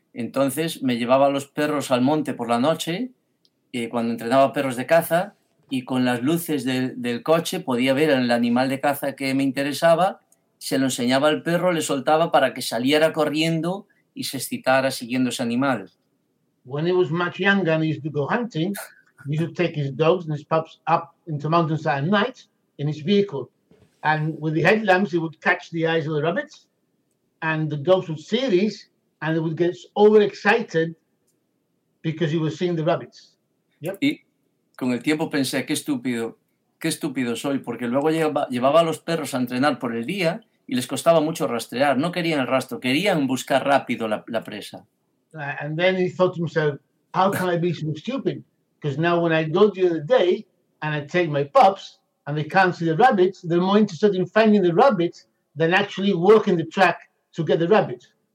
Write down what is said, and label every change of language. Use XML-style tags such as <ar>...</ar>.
<es>Entonces me llevaba a los perros al monte por la noche y cuando entrenaba perros de caza y con las luces del coche podía ver el animal de caza que me interesaba, se lo enseñaba al perro, le soltaba para que saliera corriendo y se excitara siguiendo ese animal.</es> <en>When he was much younger and he used to go hunting, he used to take his dogs and his pups up into mountains at night in his vehicle. And with the headlamps, he would catch the eyes of the rabbits and the dogs would see these and they would get overexcited because he was seeing the rabbits. Yep.</en> <es>Y con el tiempo pensé, qué estúpido soy, porque luego llevaba a los perros a entrenar por el día y les costaba mucho rastrear. No querían el rastro, querían buscar rápido la presa.</es> <en>And then he thought to himself, how can I be so stupid? Because now when I go during the day and I take my pups and they can't see the rabbits, they're more interested in finding the rabbits than actually working the track to get the rabbits.</en>